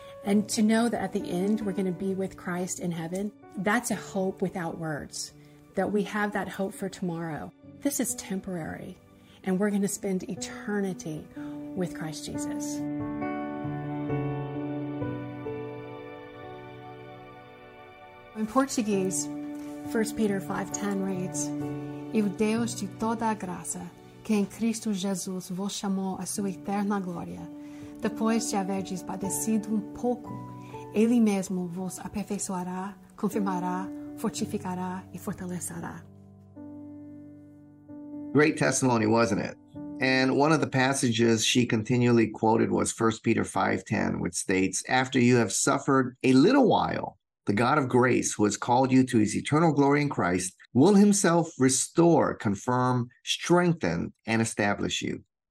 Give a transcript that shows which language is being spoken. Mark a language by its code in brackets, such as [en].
[en] And to know that at the end we're going to be with Christ in heaven, that's a hope without words, that we have that hope for tomorrow. This is temporary, and we're going to spend eternity with Christ Jesus. In Portuguese, 1 Peter 5:10 reads, [pt] "E o Deus de toda a graça, que em Cristo Jesus vos chamou à sua eterna glória, depois de haverdes padecido pouco, Ele mesmo vos aperfeiçoará, confirmará, fortificará e fortalecerá." [en] Great testimony, wasn't it? And one of the passages she continually quoted was 1 Peter 5:10, which states, "After you have suffered a little while, the God of grace, who has called you to his eternal glory in Christ, will himself restore, confirm, strengthen, and establish you."